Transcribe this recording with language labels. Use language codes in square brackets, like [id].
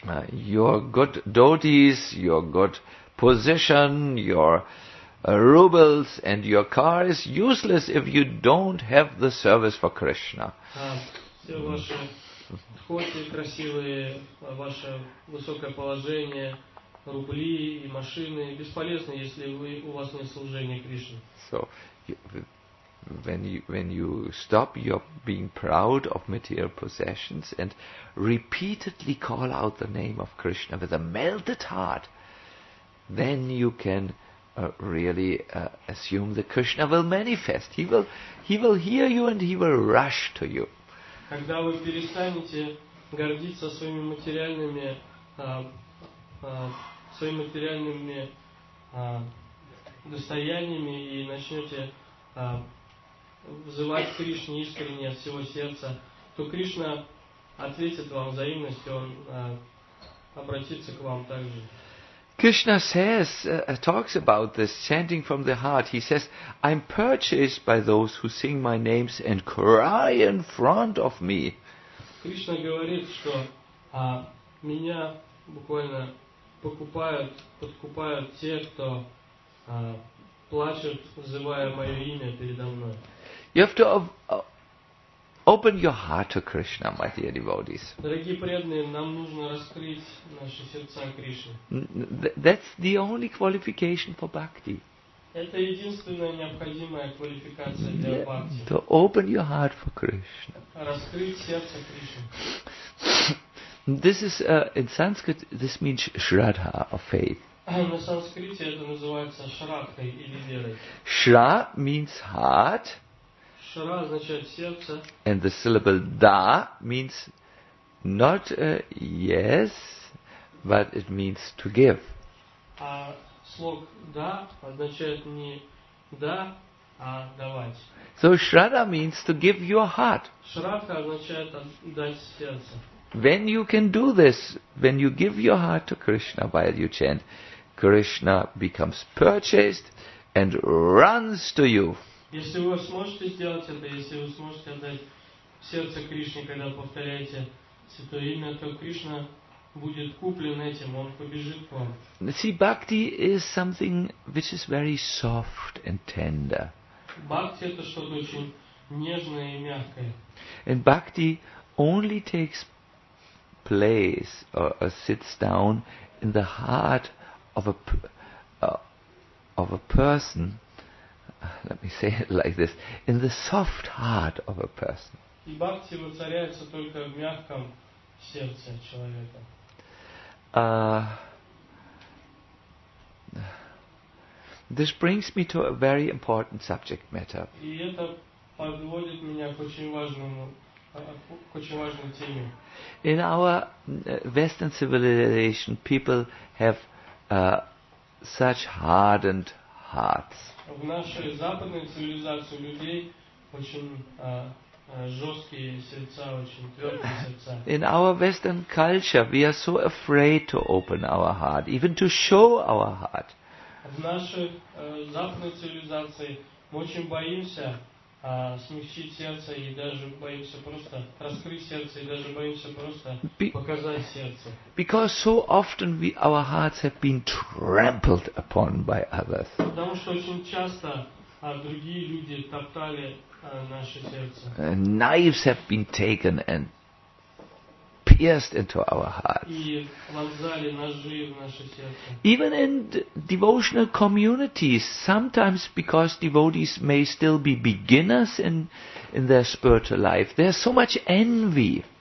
[en] Your good dotis, your good position, your rubles and your car is useless if you don't have the service for Krishna. [ru] Все ваши хоти красивые, ваше высокое положение, рубли и машины бесполезны, если у вас нет служения Кришне. [en] So, when you stop your being proud of material possessions and repeatedly call out the name of Krishna with a melted heart, then you can assume that Krishna will manifest. He will hear you and he will rush to you. [ru] Когда вы перестанете гордиться своими материальными достояниями и начнете взывать Кришне искренне от всего сердца, то Кришна ответит вам взаимностью, он обратится к вам также. [en] Krishna says, talks about this chanting from the heart. He says, I'm purchased by those who sing my names and cry in front of me. [ru] Krishna говорит, что меня буквально подкупают те, кто плачет, взывая мое имя передо мной. [en] You have to open your heart to Krishna, my dear devotees. [ru] Дорогие преданные, нам нужно раскрыть наши сердца Кришне. [en] That's the only qualification for bhakti. [ru] Это единственная необходимая квалификация для бхакти. [en] To open your heart for Krishna. [ru] Раскрыть сердце Кришне. [en] This is in Sanskrit. This means shraddha or faith. [ru] На санскрите это называется шраддхой или верой. [en] Shra means heart. [ru] Шра означает сердце. [en] And the syllable da means not yes, but it means to give. [ru] А слог да означает не да, а давать. [en] So shraddha means to give your heart. [ru] Шрадха означает дать сердце. [en] When you can do this, when you give your heart to Krishna while you chant, Krishna becomes purchased and runs to you. [ru] Если вы сможете сделать это, если вы сможете отдать сердце Кришне, когда повторяете святое имя, то Кришна будет куплен этим, он побежит к вам. [en] See, bhakti is something which is very soft and tender. [ru] Бхакти это что-то очень нежное и мягкое. [en] And bhakti only takes place or sits down in the heart of a person. Let me say it like this: in the soft heart of a person. [ru] И бхакти воцаряется только в мягком сердце человека. [en] This brings me to a very important subject matter. [ru] И это подводит меня к очень важному, к очень важной теме. [en] In our Western civilization, people have such hardened hard. [ru] В нашей западной цивилизации людей очень жесткие сердца, очень твердые сердца. [en] In our Western culture, we are so afraid to open our heart, even to show our heart. [ru] В нашей западной цивилизации мы очень боимся смягчить сердце и даже боимся просто раскрыть сердце и даже боимся просто показать сердце. [en] Because so often our hearts have been trampled upon by others. [ru] Потому что очень часто другие люди топтали наше сердце. [en] Knives have been taken and pierced into our hearts. [ru] И вонзали ножи в наше сердце. [en] Even in devotional communities, sometimes because devotees may still be beginners in their spiritual life, there's so much envy.